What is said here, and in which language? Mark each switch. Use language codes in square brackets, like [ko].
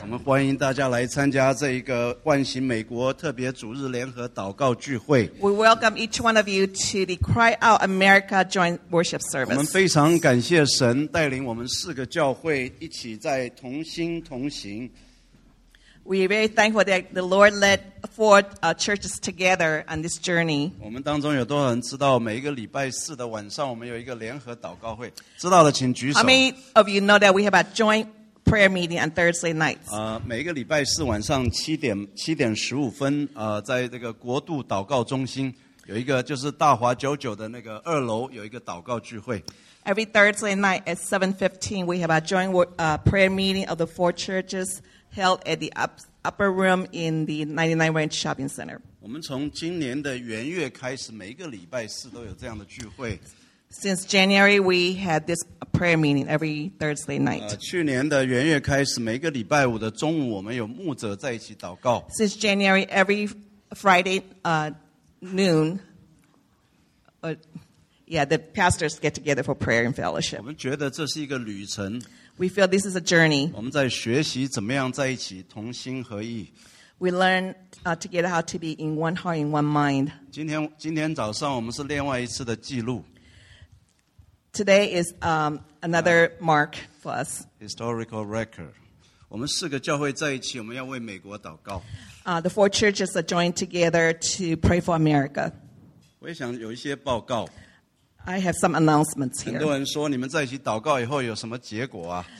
[zh] 我们欢迎大家来参加这一个唤醒美国特别主日联合祷告聚会。 [en] We welcome each one of you to the Cry Out America Joint Worship Service. [zh] 我们非常感谢神带领我们四个教会一起在同心同行。 [en] We are very thankful that the Lord led four churches together on this journey. [zh] 我们当中有多少人知道每一个礼拜四的晚上我们有一个联合祷告会？知道的请举手。 [en] How many of you know that we have a joint prayer meeting on Thursday nights? [zh] 每一个礼拜四晚上7:15，在这个国度祷告中心有一个，就是大华九九的那个二楼有一个祷告聚会。 [en] Every Thursday night at 7:15, we have a joint prayer meeting of the four churches held at the upper room in the 99 Ranch Shopping Center. [zh] 我们从今年的元月开始，每一个礼拜四都有这样的聚会。 [en] Since January, we had this prayer meeting every Thursday night. [zh] 去年的元月开始，每个礼拜五的中午，我们有牧者在一起祷告。 [en] Since January, every Friday, noon, the pastors get together for prayer and fellowship. [zh] 我们觉得这是一个旅程。 [en] We feel this is a journey. [zh] 我们在学习怎么样在一起同心合意。 [en] We learn together how to be in one heart, in one mind. [zh] 今天早上我们是另外一次的记录。 [en] Today is another mark for us. Historical record. [zh] 我们四个教会在一起，我们要为美国祷告。 [en] The four churches are joined together to pray for America. [zh] 我也想有一些报告。 [en] I have some announcements here. [zh] 很多人说你们在一起祷告以后有什么结果啊？